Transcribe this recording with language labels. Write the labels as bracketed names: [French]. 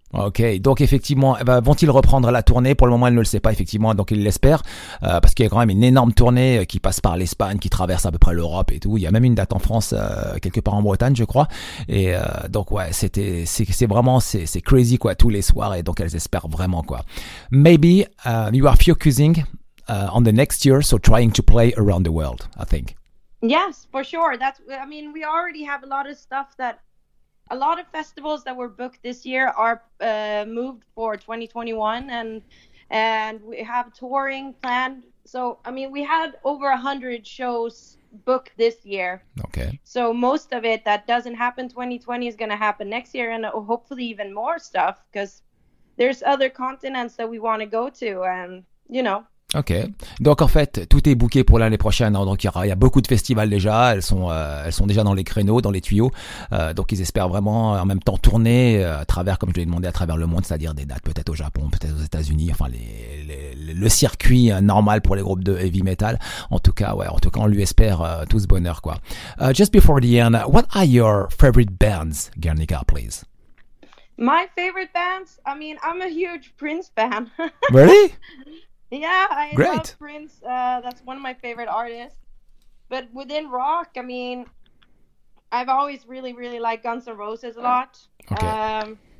[French] Ok, donc effectivement, vont-ils reprendre la tournée? Pour le moment, elle ne le sait pas, effectivement, donc il l'espère, parce qu'il y a quand même une énorme tournée qui passe par l'Espagne, qui traverse à peu près l'Europe et tout. Il y a même une date en France, quelque part en Bretagne, je crois. Et donc ouais, c'est vraiment crazy, quoi, tous les soirs. Et donc elles espèrent vraiment, quoi. [English] Maybe you are focusing on the next year, so trying to play around the world, I think. Yes, for sure. I mean, we already have a lot of stuff that. A lot of festivals that were booked this year are moved for 2021, and we have touring planned. So, I mean, we had over 100 shows booked this year. Okay. So most of it that doesn't happen 2020 is going to happen next year, and hopefully even more stuff, because there's other continents that we want to go to, and, you know. [French] Ok, donc en fait tout est booké pour l'année prochaine, hein. Donc il y a beaucoup de festivals déjà, elles sont déjà dans les créneaux, dans les tuyaux, donc ils espèrent vraiment en même temps tourner à travers, comme je l'ai demandé, à travers le monde, c'est-à-dire des dates peut-être au Japon, peut-être aux États-Unis, enfin le circuit normal pour les groupes de heavy metal. En tout cas on lui espère tout ce bonheur, quoi. [English] Just before the end, what are your favorite bands, Guernica, please? My favorite bands? I mean, I'm a huge Prince fan. Really? Yeah, I Great. Love Prince. That's one of my favorite artists. But within rock, I mean, I've always really, really liked Guns N' Roses a lot.